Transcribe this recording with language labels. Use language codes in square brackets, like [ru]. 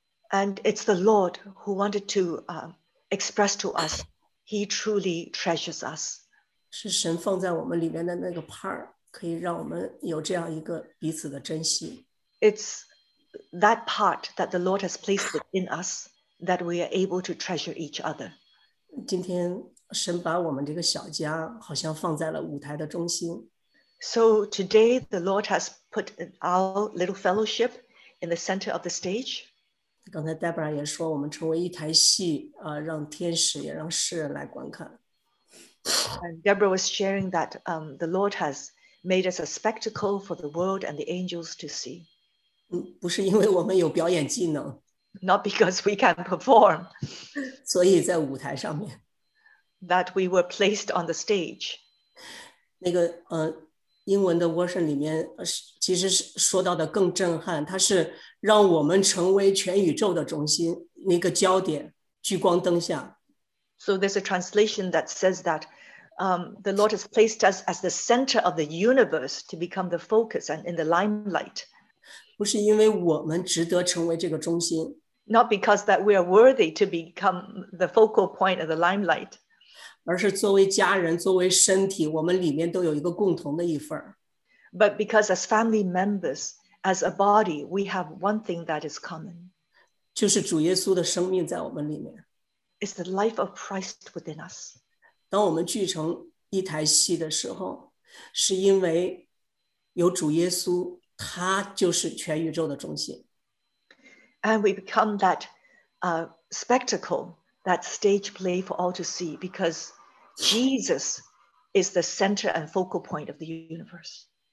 [en] And it's the Lord who wanted to express to us, he truly treasures us. [zh] 是神放在我们里面的那个 part, 可以让我们有这样一个彼此的珍惜。 [en] It's that part that the Lord has placed within us that we are able to treasure each other. [zh] 今天神把我们这个小家好像放在了舞台的中心。 [en] So today the Lord has put our little fellowship in the center of the stage. [zh] 刚才 Debra 也说我们成为一台戏让天使也让世人来观看。 [en] And Debra was sharing that the Lord has made us a spectacle for the world and the angels to see. [zh] 不是因为我们有表演技能。 [en] Not because we can perform. [zh] 所以在舞台上面。 [en] That we were placed on the stage. [zh] 那个英文的 version 里面其实是说到的更震撼，它是让我们成为全宇宙的中心，那个焦点，聚光灯下。 [en] So there's a translation that says that the Lord has placed us as the center of the universe to become the focus and in the limelight. [zh] 不是因为我们值得成为这个中心。 [en] Not because that we are worthy to become the focal point of the limelight. [zh] 而是作为家人，作为身体，我们里面都有一个共同的一份。 [en] But because as family members, as a body, we have one thing that is common. [zh] 就是主耶稣的生命在我们里面。 [en] It's the life of Christ within us. [zh] 当我们聚成一台戏的时候，是因为有主耶稣，他就是全宇宙的中心。 [en] And we become that spectacle. That stage play for all to see, because Jesus is the center and focal point of the universe.